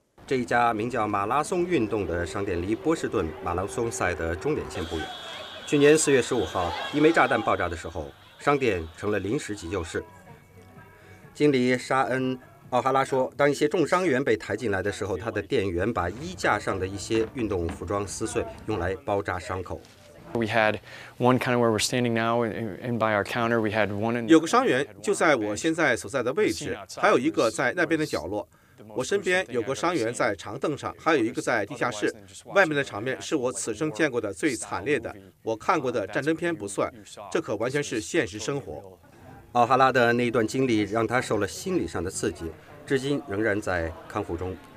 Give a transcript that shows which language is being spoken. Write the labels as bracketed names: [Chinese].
[Chinese] 这一家名叫马拉松运动的商店离波士顿马拉松赛的终点线不远。去年4月15号，一枚炸弹爆炸的时候，商店成了临时急救室。经理沙恩奥哈拉说，当一些重伤员被抬进来的时候，他的店员把衣架上的一些运动服装撕碎，用来包扎伤口。 [English] We had one kind of where we're standing now, and by our counter, we had one. [Chinese] 有个伤员就在我现在所在的位置，还有一个在那边的角落。我身边有个伤员在长凳上，还有一个在地下室。外面的场面是我此生见过的最惨烈的。我看过的战争片不算，这可完全是现实生活。奥哈拉的那一段经历让他受了心理上的刺激，至今仍然在康复中。